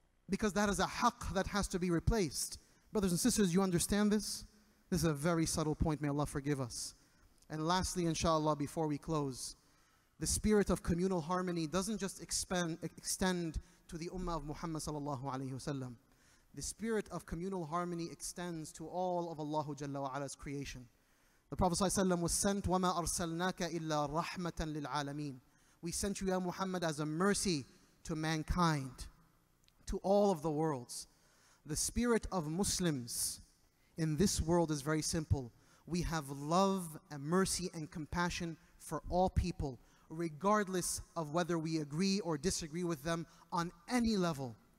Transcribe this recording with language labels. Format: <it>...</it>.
<en>Because that is a haqq that has to be replaced. Brothers and sisters, you understand this? This is a very subtle point. May Allah forgive us. And lastly, inshallah, before we close, the spirit of communal harmony doesn't just extend to the ummah of Muhammad sallallahu alayhi wasallam. The spirit of communal harmony extends to all of Allahu Jalla wa Ala's creation. The Prophet ﷺ was sent,</en> <ar>وَمَا أَرْسَلْنَاكَ إِلَّا رَحْمَةً لِلْعَالَمِينَ.</ar> <en>We sent you, ya Muhammad, as a mercy to mankind, to all of the worlds. The spirit of Muslims in this world is very simple. We have love and mercy and compassion for all people, regardless of whether we agree or disagree with them on any level.</en>